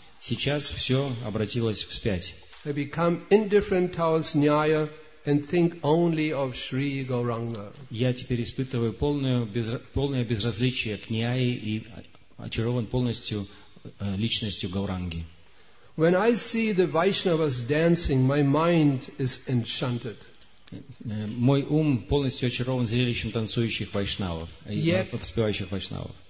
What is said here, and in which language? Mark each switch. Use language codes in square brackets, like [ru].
[ru] Сейчас все обратилось вспять. [en] I become indifferent towards Nyaya and think only of Sri Gauranga. [ru] Я теперь испытываю полное безразличие к Ньяе и очарован полностью личностью Гауранги. [en] When I see the Vaishnavas dancing, my mind is enchanted. [ru] Мой ум полностью очарован зрелищем танцующих вайшнавов, воспевающих вайшнавов.